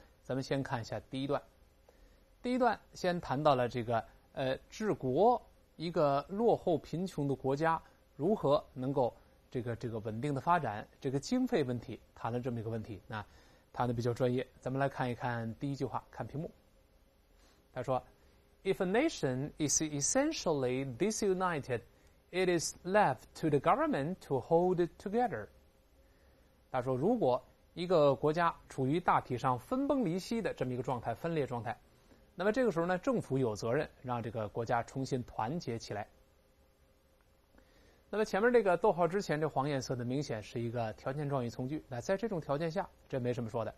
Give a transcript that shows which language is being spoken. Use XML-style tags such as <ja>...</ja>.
<zh>咱们先看一下第一段。第一段先谈到了这个治国，一个落后贫穷的国家如何能够这个稳定的发展，这个经费问题谈了这么一个问题，那谈的比较专业。咱们来看一看第一句话，看屏幕。</zh> <en>他说 If a nation is essentially disunited, it is left to the government to hold it together.</en> <zh>他说如果一个国家处于大体上分崩离析的这么一个状态，分裂状态，那么这个时候呢，政府有责任让这个国家重新团结起来。那么前面这个逗号之前这黄颜色的明显是一个条件状语从句，那在这种条件下这没什么说的。</zh>